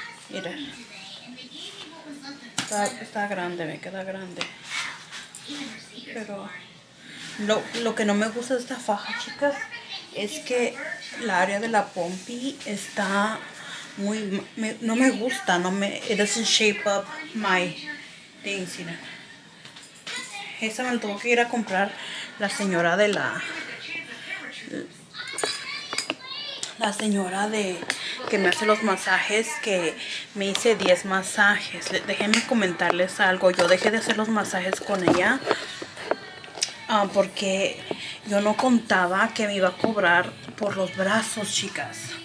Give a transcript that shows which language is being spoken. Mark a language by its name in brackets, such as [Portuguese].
[Spanish] Mira. Está grande, me queda grande. Pero lo que no me gusta de esta faja, chicas, es que la área de la pompi está muy... [English] no me gusta, it doesn't shape up my things, you know. [Spanish] Esa me la tuvo que ir a comprar la señora de la señora de que me hace los masajes, que me hice 10 masajes. Déjenme comentarles algo. Yo dejé de hacer los masajes con ella porque yo no contaba que me iba a cobrar por los brazos, chicas.